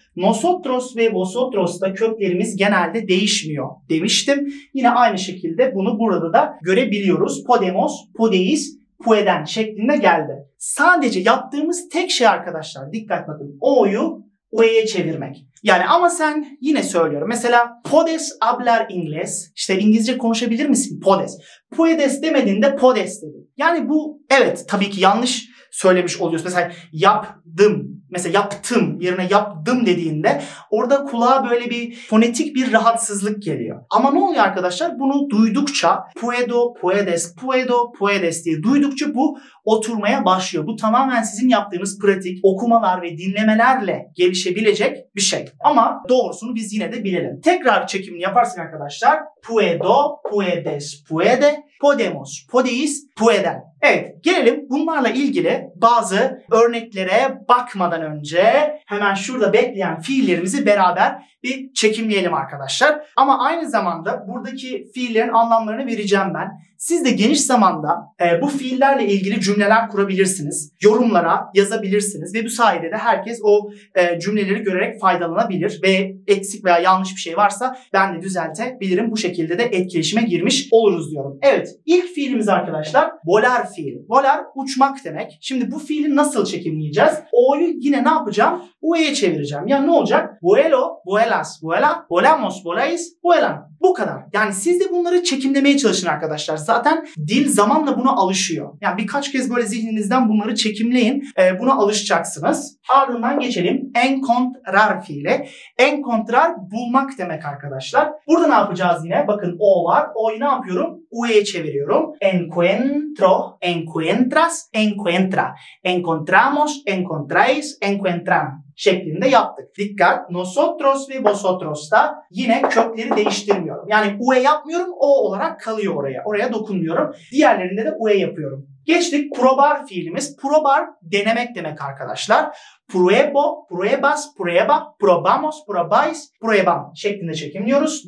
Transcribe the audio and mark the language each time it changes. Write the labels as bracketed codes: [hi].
[tr] Nosotros ve vosotros'ta köklerimiz genelde değişmiyor demiştim. Yine aynı şekilde bunu burada da görebiliyoruz. [es] Podemos, podeis, pueden [tr] şeklinde geldi. Sadece yaptığımız tek şey arkadaşlar, dikkat bakın, o'yu ue'ye çevirmek. Yani ama sen yine söylüyorum. [es] Mesela podes hablar inglés. [tr] İşte İngilizce konuşabilir misin? Podes. Puedes demediğinde podes dedi. Yani bu evet tabii ki yanlış söylemiş oluyorsun. Mesela yaptım. Mesela yaptım yerine yaptım dediğinde orada kulağa böyle bir fonetik bir rahatsızlık geliyor. Ama ne oluyor arkadaşlar? Bunu duydukça [es] puedo, puedes, puedo, puedes [tr] diye duydukça bu oturmaya başlıyor. Bu tamamen sizin yaptığınız pratik, okumalar ve dinlemelerle gelişebilecek bir şey. Ama doğrusunu biz yine de bilelim. Tekrar çekimini yaparsın arkadaşlar. [es] Puedo, puedes, puede, podemos, podeis, pueden. [tr] Evet, gelelim bunlarla ilgili bazı örneklere bakmadan önce hemen şurada bekleyen fiillerimizi beraber bir çekimleyelim arkadaşlar. Ama aynı zamanda buradaki fiillerin anlamlarını vereceğim ben. Siz de geniş zamanda bu fiillerle ilgili cümleler kurabilirsiniz. Yorumlara yazabilirsiniz ve bu sayede de herkes o cümleleri görerek faydalanabilir ve eksik veya yanlış bir şey varsa ben de düzeltebilirim. Bu şekilde de etkileşime girmiş oluruz diyorum. Evet, ilk fiilimiz arkadaşlar volar fiili. Volar uçmak demek. Şimdi bu fiili nasıl çekimleyeceğiz? O'yu yine ne yapacağım? U'ya çevireceğim. Ya ne olacak? [es] Vuelo, vuelas, vuela, volamos, volais, vuelan. [tr] Bu kadar. Yani siz de bunları çekimlemeye çalışın arkadaşlar. Zaten dil zamanla buna alışıyor. Yani birkaç kez böyle zihninizden bunları çekimleyin. Buna alışacaksınız. Ardından geçelim. Encontrar fiili. Encontrar bulmak demek arkadaşlar. Burada ne yapacağız yine? Bakın o var. O'yu ne yapıyorum? U'ya çeviriyorum. [es] Encuentro, encuentras, encuentra. Encontramos, encontráis, encuentran [tr] şeklinde yaptık. Dikkat! Nosotros ve vosotros da yine kökleri değiştirmiyorum. Yani ue yapmıyorum, o olarak kalıyor oraya. Oraya dokunmuyorum. Diğerlerinde de ue yapıyorum. Geçtik. Probar fiilimiz. [es] Probar [tr] denemek demek arkadaşlar. [es] Pruebo, pruebas, prueba, probamos, probais, prueban [tr] şeklinde çekimliyoruz.